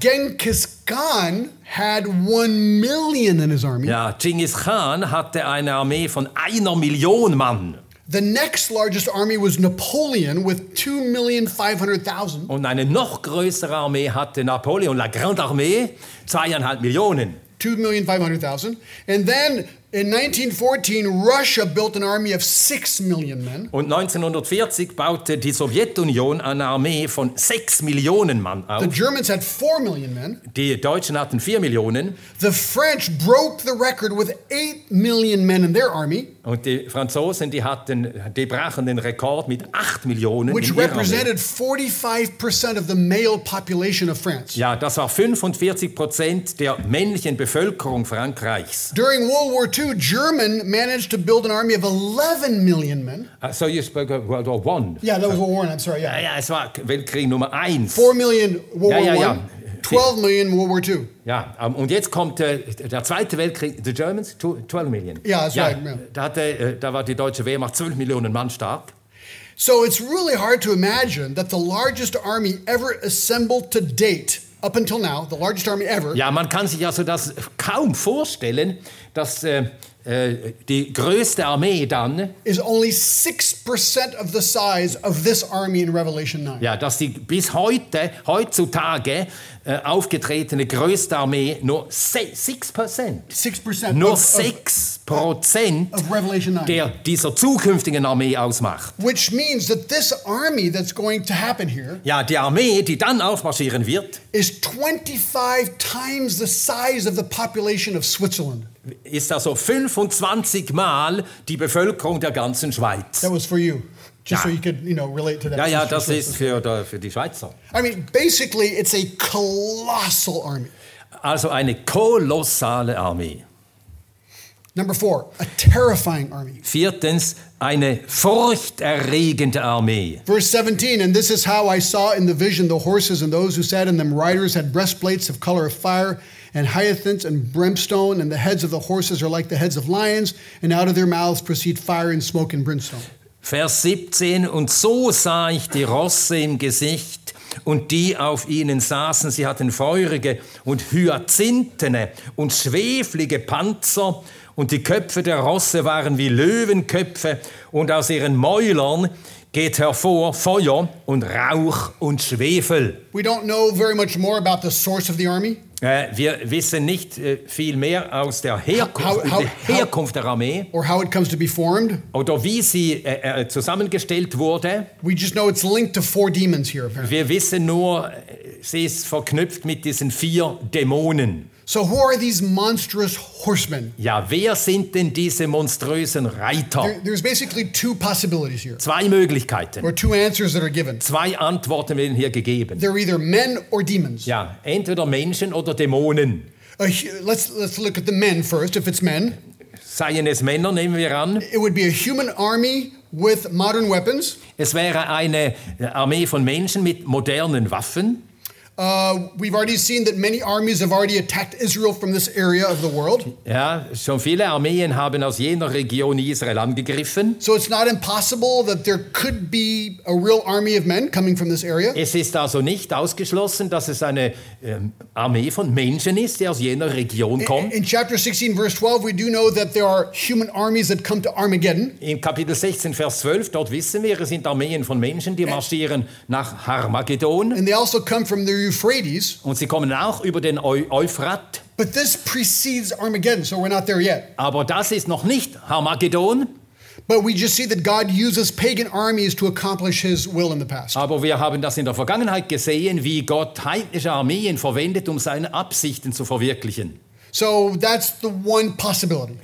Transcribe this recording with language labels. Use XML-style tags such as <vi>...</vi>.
<en>Genghis Khan had 1 million in his army.</en> <de>Ja, Genghis Khan hatte eine Armee von 1 Million Mann.</de> <en>The next largest army was Napoleon with 2,500,000.</en> <de>Und eine noch größere Armee hatte Napoleon, la Grande Armée, 2,5 Millionen.</de> <en>2,500,000. And then in 1914, Russia built an army of 6 million men.</en> <de>Und 1940 baute die Sowjetunion eine Armee von 6 Millionen Mann auf.</de> <en>The Germans had 4 million men.</en> <de>Die Deutschen hatten 4 Millionen.</de> <en>The French broke the record with 8 million men in their army.</en> <de>Und die Franzosen, die brachen den Rekord mit 8 Millionen.</de> <en>Which represented 45% of the male population of France.</en> <de>Ja, das war 45% der männlichen Bevölkerung Frankreichs.</de> <en>During World War II, German managed to build an army of 11 million men. So you spoke of World War One. Yeah, that was World War One. I'm sorry. Yeah.</en> <de>Ja, es war Weltkrieg Nummer eins.</de> <en>4 million World War One. 12 million World War II.</en> <de>Ja, und jetzt kommt der Zweite Weltkrieg,</de> <en>the Germans, 12 million. Yeah, that's right. Yeah.</en> <de>Da war die deutsche Wehrmacht 12 Millionen Mann stark.</de> <en>So it's really hard to imagine that the largest army ever assembled to date, up until now, the largest army ever.</en> <de>Ja, man kann sich also das kaum vorstellen, dass die größte Armee dann...</de> <en>Is only 6% of the size of this army in Revelation 9.</en> <de>Ja, dass die bis heutzutage aufgetretene größte Armee nur 6%.</de> <en>6%.</en> <de>Nur 6%</de> <en>of Revelation 9.</en> <de>Der dieser zukünftigen Armee ausmacht.</de> <en>Which means that this army that's going to happen here...</en> <de>Ja, die Armee, die dann aufmarschieren wird...</de> <en>Is 25 times the size of the population of Switzerland.</en> <de>Ist also 25 Mal die Bevölkerung der ganzen Schweiz.</de> <en>That was for you, just so you could, you know, relate to that.</en> <de>Ja, ja, das ist für die Schweizer.</de> <en>I mean, basically, it's a colossal army.</en> <de>Also eine kolossale Armee.</de> <en>Number four, a terrifying army.</en> <de>Viertens, eine furchterregende Armee.</de> <en>Verse 17, and this is how I saw in the vision the horses and those who sat in them. Riders had breastplates of color of fire, and hyacinths and brimstone, and the heads of the horses are like the heads of lions, and out of their mouths proceed fire and smoke and brimstone.</en> <de>Vers 17, und so sah ich die Rosse im Gesicht, und die auf ihnen saßen, sie hatten feurige und hyazinthene und schweflige Panzer, und die Köpfe der Rosse waren wie Löwenköpfe, und aus ihren Mäulern geht hervor Feuer und Rauch und Schwefel.</de> <en>We don't know very much more about the source of the army.</en> <de>Wir wissen nicht viel mehr aus der Herkunft der Armee</de> <en>or how it comes to be formed.</en> <de>Oder wie sie zusammengestellt wurde.</de> <en>We just know it's linked to four demons here, apparently.</en> <de>Wir wissen nur, sie ist verknüpft mit diesen 4 Dämonen.</de> <en>So who are these monstrous horsemen?</en> <de>Ja, wer sind denn diese monströsen Reiter?</de> <en>There's basically two possibilities here.</en> <de>Zwei Möglichkeiten.</de> <en>Or two answers that are given.</en> <de>Zwei Antworten werden hier gegeben.</de> <en>They're either men or demons.</en> <de>Ja, entweder Menschen oder Dämonen.</de> <en>Let's look at the men first, if it's men.</en> <de>Seien es Männer, nehmen wir an.</de> <en>It would be a human army with modern weapons.</en> <de>Es wäre eine Armee von Menschen mit modernen Waffen.</de> <en>We've already seen that many armies have already attacked Israel from this area of the world.</en> <de>Ja, schon viele Armeen haben aus jener Region Israel angegriffen.</de> <en>So it's not impossible that there could be a real army of men coming from this area.</en> <de>Es ist also nicht ausgeschlossen, dass es eine Armee von Menschen ist, die aus jener Region kommen.</de> <en>In chapter 16, verse 12, we do know that there are human armies that come to Armageddon.</en> <de>In Kapitel 16, Vers 12, dort wissen wir, es sind Armeen von Menschen, die marschieren nach Armageddon.</de> <en>And they also come from the Euphrates.</en> <de>Und sie kommen auch über den Euphrat.</de> <en>But this precedes Armageddon, so we're not there yet.</en> <de>Aber das ist noch nicht Armageddon.</de> <en>But we just see that God uses pagan armies to accomplish his will in the past.</en> <de>Aber wir haben das in der Vergangenheit gesehen, wie Gott heidnische Armeen verwendet, um seine Absichten zu verwirklichen.</de> <en>So that's the one possibility.</en>